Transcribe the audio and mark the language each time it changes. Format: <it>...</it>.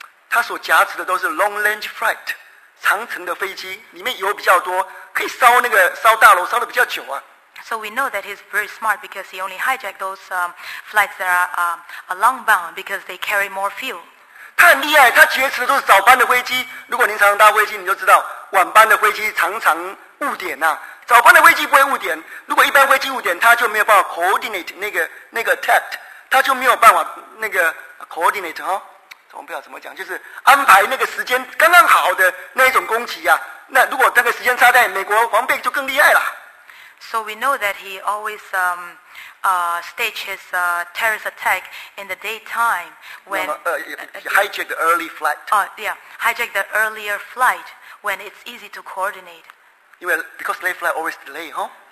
<zh>他真的很厉害啊,他所夹持的都是</zh> <en>long range flight,</en> <zh>长程的飞机,里面油比较多,可以烧那个烧大楼烧得比较久啊。</zh> <en>So we know that he's very smart because he only hijacked those flights that are long bound because they carry more fuel.</en> <zh>他很厉害,他劫持的都是早班的飞机,如果您常常搭飞机,你就知道,晚班的飞机常常误点啊,早班的飞机不会误点,如果一般飞机误点,他就没有办法 coordinate,那个,那个,他就没有办法,那个,coordinate,我不知道怎么讲,就是安排那个时间刚刚好的那种攻击啊,那如果那个时间差在美国,黄背就更厉害了。So</zh> <en>we know that he always staged his terrorist attack in the daytime when hijacked the early flight. Hijacked the earlier flight when it's easy to coordinate. Because late flight always delay, huh?</en>